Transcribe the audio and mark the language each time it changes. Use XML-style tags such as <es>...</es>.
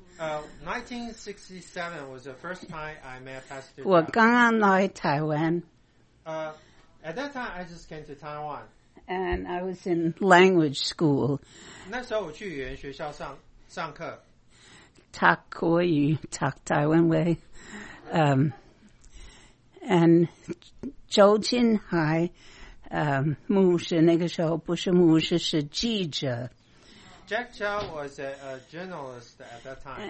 <en>1967 was the first time I met Pastor Chow.</en> <zh>我刚刚来台湾.</zh> <en>At that time I just came to Taiwan. And I was in language school.</en> <zh>那时候我去语言学校上课.</zh> <en>Talk 国语, talk 台湾话. And</en> <zh>周金海, 牧师那个时候不是牧师是记者.</zh> <en>Jack Chow was a journalist at that time.</en>